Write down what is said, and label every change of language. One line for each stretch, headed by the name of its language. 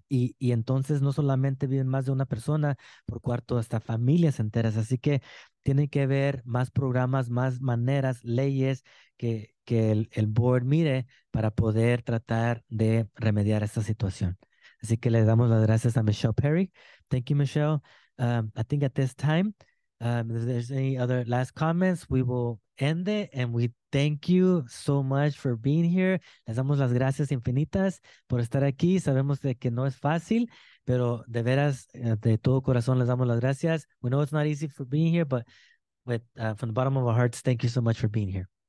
Spanish: Y entonces no solamente viven más de una persona por cuarto, hasta familias enteras. Así que tiene que haber más programas, más maneras, leyes que el board mire para poder tratar de remediar esta situación. Así que le damos las gracias a Michelle Perry.
English: Thank you, Michelle. I think at this time, if there's any other last comments, we will end it. And we thank you so much for being here.
Spanish: Les damos las gracias infinitas por estar aquí. Sabemos de que no es fácil, pero de veras, de todo corazón, les damos las gracias.
English: We know it's not easy for being here, but from the bottom of our hearts, thank you so much for being here.